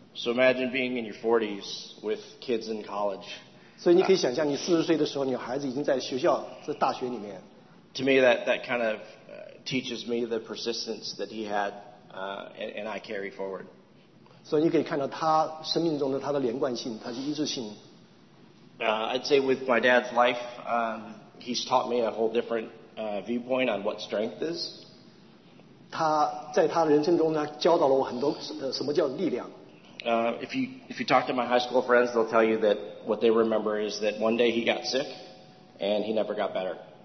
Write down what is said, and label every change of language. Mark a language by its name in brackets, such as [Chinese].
[English] So imagine being in your 40s with kids in college. [Chinese] 所以你可以想象，你40岁的时候，你孩子已经在学校，在大学里面。 [English] To me, that kind of teaches me the persistence that he had, and I carry forward. [Chinese] 所以你可以看到他生命中的他的连贯性，他的一致性。 [English] I'd say with my dad's life, he's taught me a whole different viewpoint on what strength is. [Chinese] 他在他的人生中呢，教导了我很多什么叫力量。 [English] If you talk to my high school friends, they'll tell you that what they remember is that one day he got sick, and he never got better.